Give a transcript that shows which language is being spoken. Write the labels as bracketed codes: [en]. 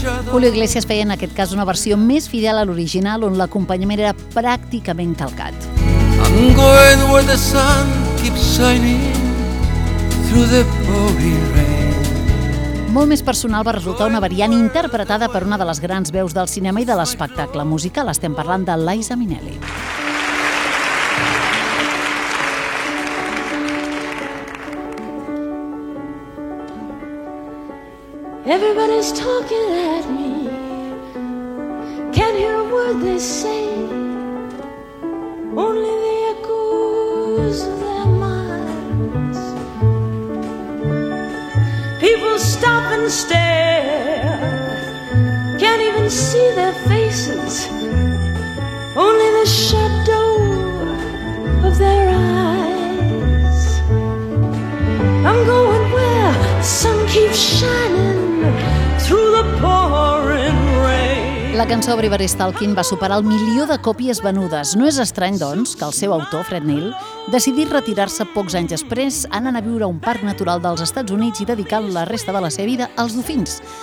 [ca] Julio Iglesias feia en aquest cas una versió més fidel a l'original, on l'acompanyament era pràcticament calcat. [en] I'm going where the sun keeps shining through the pouring rain. [ca] Molt més personal va resultar una variant interpretada per una de les grans veus del cinema i de l'espectacle musical. Estem parlant de Liza Minnelli. [en] Everybody's talking at me, can't hear a word they say, only the echoes of their minds. People stop and stare, can't even see their faces, only the shadow of their eyes. I'm going where the sun keeps shining. [ca] La cançó Everybody's Talking va superar el milió de còpies venudes. No és estrany, doncs, que el seu autor, Fred Neil, decidís retirar-se pocs anys després, anant a viure a un parc natural dels Estats Units i dedicant la resta de la seva vida als dofins.